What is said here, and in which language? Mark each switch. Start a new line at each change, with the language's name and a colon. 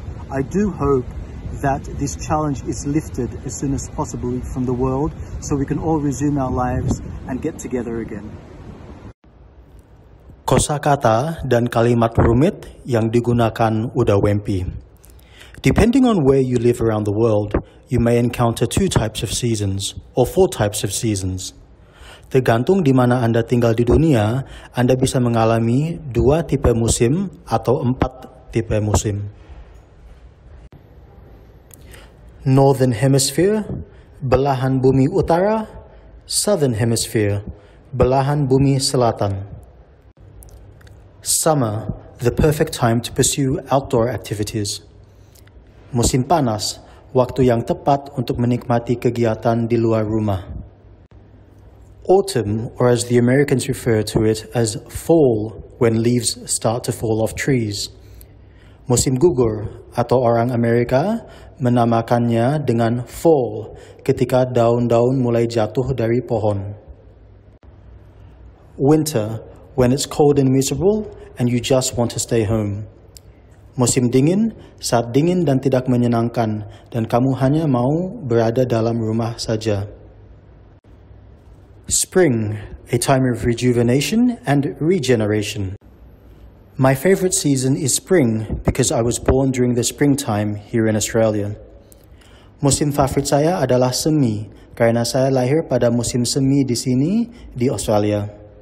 English: I do hope that this challenge is lifted as soon as possible from the world so we can all resume our lives and get together again.
Indonesian: Kosa kata dan kalimat rumit yang digunakan Uda Wempi.
English: Depending on where you live around the world, you may encounter two types of seasons, or four types of seasons.
Indonesian: Tergantung di mana Anda tinggal di dunia, Anda bisa mengalami dua tipe musim atau empat tipe musim.
English: Northern Hemisphere,
Indonesian: belahan bumi utara.
English: Southern Hemisphere,
Indonesian: belahan bumi selatan.
English: Summer, the perfect time to pursue outdoor activities.
Indonesian: Musim panas, waktu yang tepat untuk menikmati kegiatan di luar rumah.
English: Autumn, or as the Americans refer to it as fall, when leaves start to fall off trees.
Indonesian: Musim gugur, atau orang Amerika menamakannya dengan fall, ketika daun-daun mulai jatuh dari pohon.
English: Winter, when it's cold and miserable, and you just want to stay home.
Indonesian: Musim dingin, saat dingin dan tidak menyenangkan, dan kamu hanya mau berada dalam rumah saja.
English: Spring, a time of rejuvenation and regeneration. My favorite season is spring because I was born during the springtime here in Australia.
Indonesian: Musim favorit saya adalah semi, karena saya lahir pada musim semi di sini, di Australia.